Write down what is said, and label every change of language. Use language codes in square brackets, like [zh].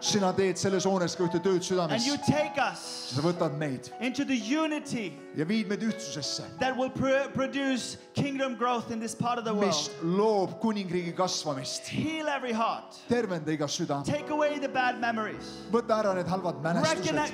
[et] Sina teed selles hoones ka ühte tööd südames. [en] And you take us [et] sa võtad meid [en] into the unity [et] ja viid meid ühtsusesse. [en] That will produce kingdom growth in this part of the world. [et] Mis loob kuningriigi kasvu. [en] Heal every heart. [et] Tervenda iga süda. [en] Take away the bad memories. [et] Võta ära need halvad mälestused.